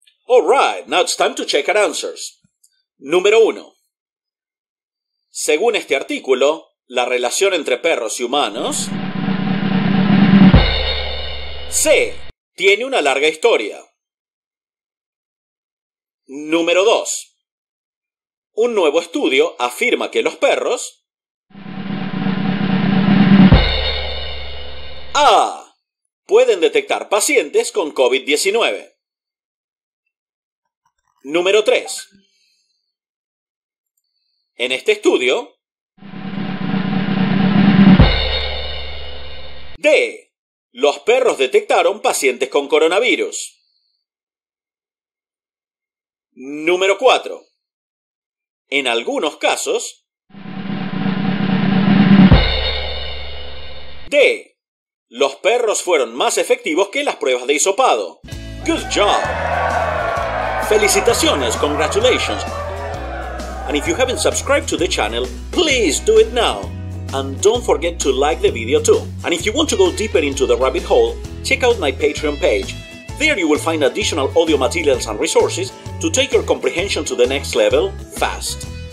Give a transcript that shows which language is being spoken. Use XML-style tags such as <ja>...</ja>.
<en>All right, now it's time to check our answers.</en> <es>Número 1. Según este artículo, la relación entre perros y humanos... Sí, tiene una larga historia. Número 2. Un nuevo estudio afirma que los perros... ¡Ah! Pueden detectar pacientes con COVID-19. Número 3. En este estudio... D. Los perros detectaron pacientes con coronavirus. Número 4. En algunos casos... D. Los perros fueron más efectivos que las pruebas de hisopado.</es> <en>¡Good job!</en> <es>¡Felicitaciones!</es> <en>¡Congratulations! And if you haven't subscribed to the channel, please do it now. And don't forget to like the video too. And if you want to go deeper into the rabbit hole, check out my Patreon page. There you will find additional audio materials and resources to take your comprehension to the next level, fast.</en>